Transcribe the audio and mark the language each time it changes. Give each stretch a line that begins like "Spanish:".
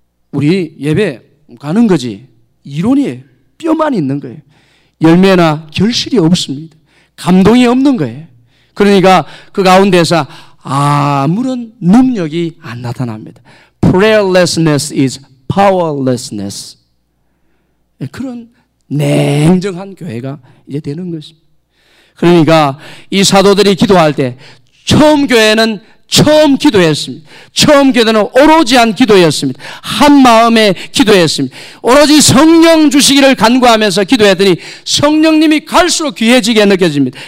Korean: 우리 예배 가는 거지. 이론이 뼈만 있는 거예요. 열매나 결실이 없습니다. 감동이 없는 거예요. 그러니까 그 가운데서 아무런 능력이 안 나타납니다.
English: Prayerlessness is powerlessness.
Korean: 그런 냉정한 교회가 이제 되는 것입니다. 그러니까 이 사도들이 기도할 때 처음 교회는 처음 기도했습니다. 처음 기도는 오로지 한 기도였습니다. 한 마음에 기도했습니다. 오로지 성령 주시기를 간구하면서 기도했더니 성령님이 갈수록 귀해지게 느껴집니다.